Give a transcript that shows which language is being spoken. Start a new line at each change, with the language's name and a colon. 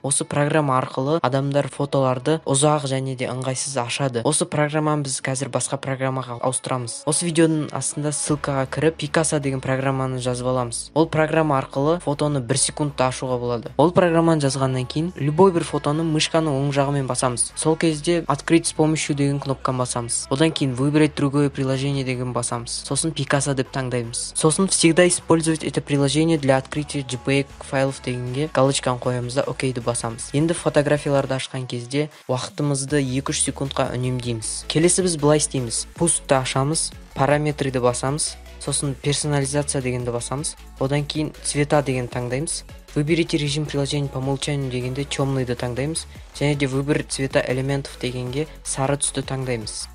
Kazakh: Осы программа арқылы адамдар фотоларды ұзақ және де ыңғайсыз ашады. Осы программаны біз қазір басқа программаға ауыстырамыз. Осы видеоның астында ссылкаға кіріп, Picasa деген программаны жазып аламыз. Ол программа арқылы фотоны 1 секундта ашуға болады. Ол программаны жазғаннан кейін любой бір фотоны мышканың оң жағымен басамыз. Сол кезде
Russian: открыть с помощью
Kazakh: деген кнопканы басамыз. Одан кейін
Russian: выбрать другое приложение
Kazakh: деген басамыз. Сосын Picasa деп таңдаймыз.
Russian: Сосын всегда использовать это приложение для открытия JPEG файлов
Kazakh: дегенге галочканы қоямыз да окейді басамыз. Енді фотографияларды ашқан кезде уақытымызды 2-3 секундқа үнемдейміз. Келесі біз былай істейміз. Пустты ашамыз, параметрді басамыз, сосын персонализация дегенді басамыз, одан кейін цвета деген таңдаймыз.
Russian: Выберите режим приложения по умолчанию
Kazakh: дегенде темныйды таңдаймыз, және де
Russian: выбор цвета элементов
Kazakh: дегенге сары түсті таңдаймыз.